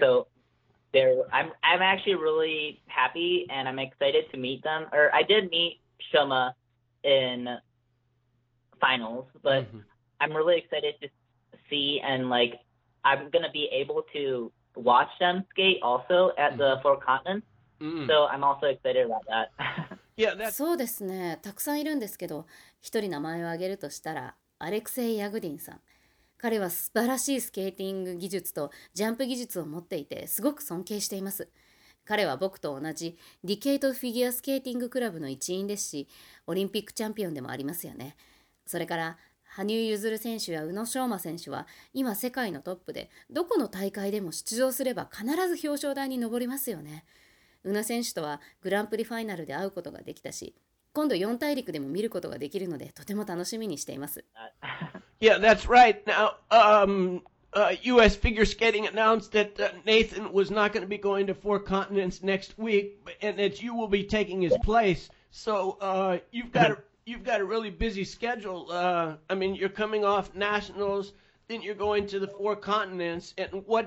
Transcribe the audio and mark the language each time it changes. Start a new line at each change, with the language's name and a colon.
English: So, I'm actually really happy and I'm excited to meet them. Or, I did meet Shoma in finals, but I'm really excited to see and, like, I'm going to be able to watch them skate also at the Four Continents.
Japanese: そうですね、たくさんいるんですけど、一人名前を挙げるとしたらアレクセイ・ヤグディンさん。彼は素晴らしいスケーティング技術とジャンプ技術を持っていて、すごく尊敬しています。彼は僕と同じディケイトフィギュアスケーティングクラブの一員ですし、オリンピックチャンピオンでもありますよね。それから羽生結弦選手や宇野昌磨選手は今世界のトップで、どこの大会でも出場すれば必ず表彰台に上りますよね。宇野選手とはグランプリファイナルで会うことができたし、今度四大陸でも見ることができるので、とても楽しみにしています。
English: Yeah, that's right. Now, U.S. Figure Skating announced that Nathan was not going to be going to Four Continents next week, and that you will be taking his place. So, you've got a really busy schedule. I mean, you're coming off Nationals, then you're going to the Four Continents, and